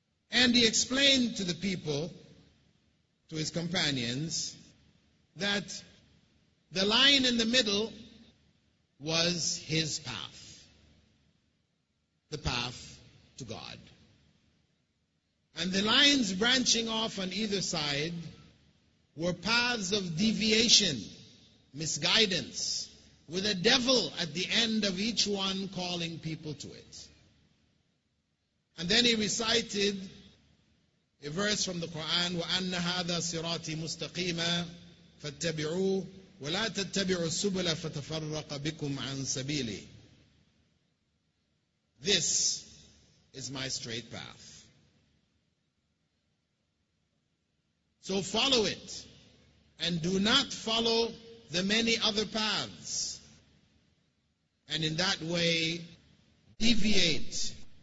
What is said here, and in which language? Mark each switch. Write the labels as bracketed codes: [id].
[en] And he explained to the people, to his companions, that the line in the middle was his path, the path to God. And the lines branching off on either side were paths of deviation, misguidance, with a devil at the end of each one calling people to it. And then he recited a verse from the Quran, [ar] وَأَنَّ هَذَا صِرَاطِي مُسْتَقِيمًا فَاتَّبِعُوهُ وَلَا تَتَّبِعُوا السُّبُلَ فَتَفَرَّقَ بِكُمْ عَن سَبِيلِي. [en] This is my straight path. So follow it, and do not follow the many other paths, and in that way deviate.